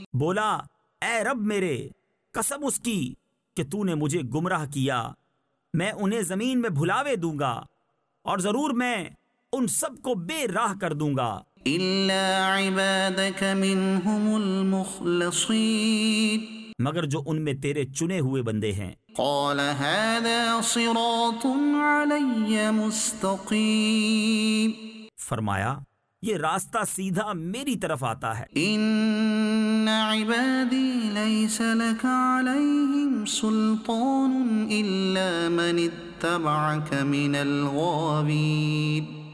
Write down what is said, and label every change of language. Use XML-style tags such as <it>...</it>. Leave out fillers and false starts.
<ur>بولا اے رب میرے قسم اس کی کہ تُو نے مجھے گمراہ کیا میں انہیں زمین میں بھلاوے دوں گا اور ضرور میں ان سب کو بے راہ کر دوں گا</ur> <ar>إلا عبادك منهم المخلصين</ar> <ur>مگر جو ان میں تیرے چنے ہوئے بندے ہیں</ur> <ar>قال هذا صراط علي مستقيم</ar> <ur>فرمایا یہ راستہ سیدھا میری طرف آتا ہے.</ur> <ar>ان عبادی لیس لک علیہم سلطان الا من اتبعک من الغاوین.</ar>